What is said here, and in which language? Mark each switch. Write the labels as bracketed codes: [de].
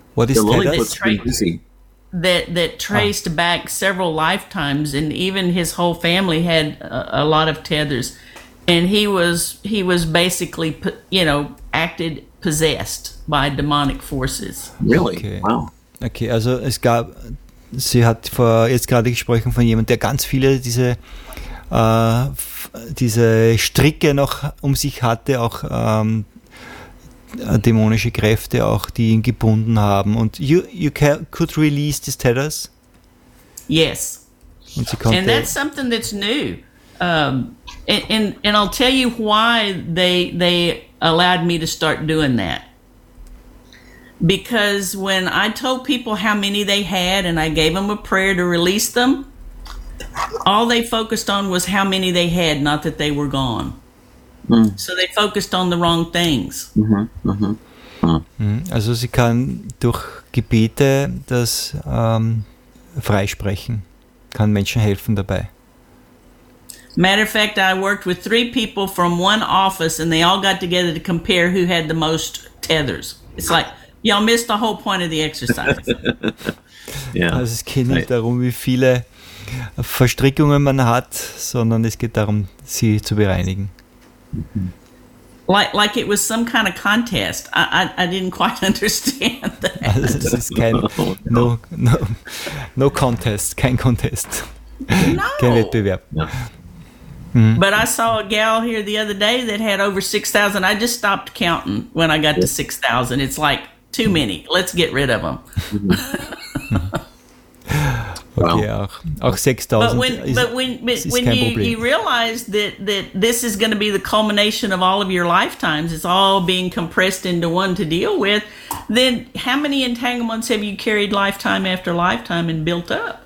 [en] What is tethers? That traced back several lifetimes, and even his whole family had a lot of tethers. And he was basically, acted possessed by demonic forces. Really? Okay. Wow. [de] Okay, also es gab, sie hat vor, jetzt gerade gesprochen von jemandem, der ganz viele diese Stricke noch um sich hatte, auch dämonische Kräfte auch, die ihn gebunden haben. Und [en] you could release these tethers? Yes. [de] Und sie konnte. [en] And that's something that's new. And I'll tell you why they allowed me to start doing that. Because when I told people how many they had and I gave them a prayer to release them, all they focused on was how many they had, not that they were gone. Mm. So they focused on the wrong things. Mm-hmm. [de] Also sie kann durch Gebete das freisprechen, kann Menschen helfen dabei. [en] Matter of fact, I worked with 3 people from 1 office and they all got together to compare who had the most tethers. It's like, y'all missed the whole point of the exercise. Yeah. [de] Also es geht nicht darum, wie viele Verstrickungen man hat, sondern es geht darum, sie zu bereinigen. [en] Mm-hmm. Like it was some kind of contest. I didn't quite understand that. [de] Also es ist kein, [en] no contest, [de] kein Contest. [en] No. [de] Kein Wettbewerb. [en] No. Mm-hmm. But I saw a gal here the other day that had over 6,000. I just stopped counting when I got to 6,000. It's like too many. Let's get rid of them. [de] Okay, auch 6,000 [en] But when you realize that this is going to be the culmination of all of your lifetimes, it's all being compressed into one to deal with, then how many entanglements have you carried lifetime after lifetime and built up?